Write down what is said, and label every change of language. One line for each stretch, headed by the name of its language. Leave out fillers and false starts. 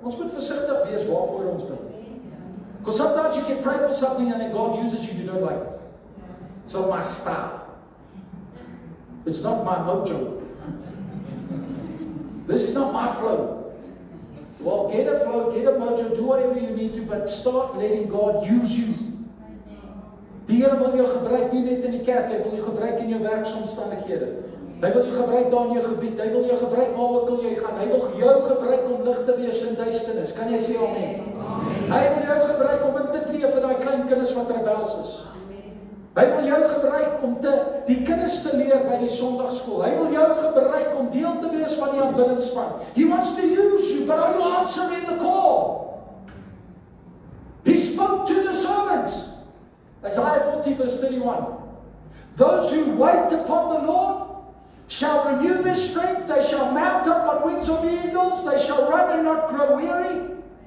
Afrikaans: Ons moet versigtig wees waarvoor ons bid.
English: Because sometimes you can pray for something and then God uses you, you don't like it. It's not my style. It's not my mojo. This is not my flow. Well, get a flow, get a mojo, do whatever you need to, but start letting God use you.
Afrikaans: Die Here wil jou gebruik nie net in die kerk, hy wil jou gebruik in jou werksomstandighede. Hy wil jou gebruik daar in jou gebied, hy wil jou gebruik waar ook al jy gaan. Hy wil jou gebruik om lig te wees in duisternis. Kan jy sê amen? Hy wil jou gebruik om in te tree vir daai klein kinders wat rebels is. Hy wil jou gebruik om die kinders te leer by die sonndagskool. Hy wil jou gebruik om deel te wees van die aanbiddingsspan.
English: He wants to use you, but are you answering the call? He spoke to the servants. Isaiah 40 verse 31. Those who wait upon the Lord shall renew their strength. They shall mount up on wings of eagles. They shall run and not grow weary.